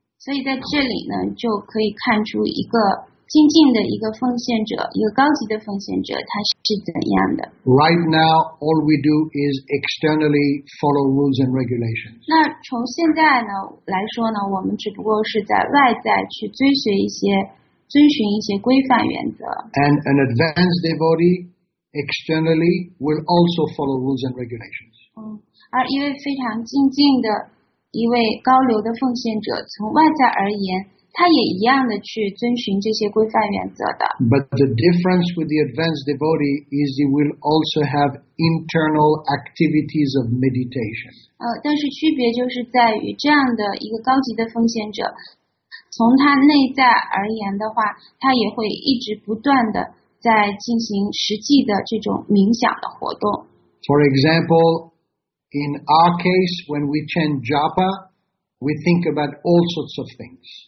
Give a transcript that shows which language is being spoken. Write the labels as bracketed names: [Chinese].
[Chinese] 所以在这里呢，就可以看出一个精进的一个奉献者，一个高级的奉献者，他是怎样的。 [English] Right now, all we do is externally follow rules and regulations. [Chinese] 那从现在呢来说呢，我们只不过是在外在去追随一些。遵循一些规范原则。 [English] And an advanced devotee externally will also follow rules and regulations. [Chinese] 而一位非常精进的一位高流的奉献者，从外在而言，他也一样的去遵循这些规范原则的。 [English] But the difference with the advanced devotee is he will also have internal activities of meditation. [Chinese] 但是区别就是在于这样的一个高级的奉献者。从他内在而言的话，他也会一直不断的在进行实际的这种冥想的活动。 [English] For example, in our case, when we chant japa, we think about all sorts of things.